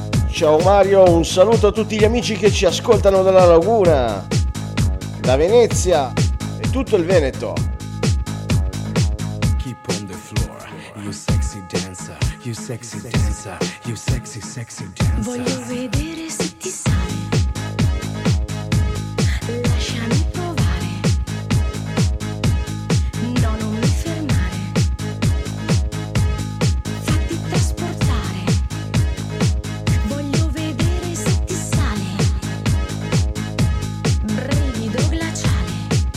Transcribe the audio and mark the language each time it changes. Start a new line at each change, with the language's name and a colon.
Italian: Ciao Mario, un saluto a tutti gli amici che ci ascoltano dalla Laguna, da Venezia e tutto il Veneto.
English: Keep on the floor, you sexy dancer, you sexy dancer, you sexy sexy dancer.
Italian: Voglio vedere se ti sale, lasciami provare, no non mi fermare, fatti trasportare, voglio vedere se ti sale, brivido glaciale.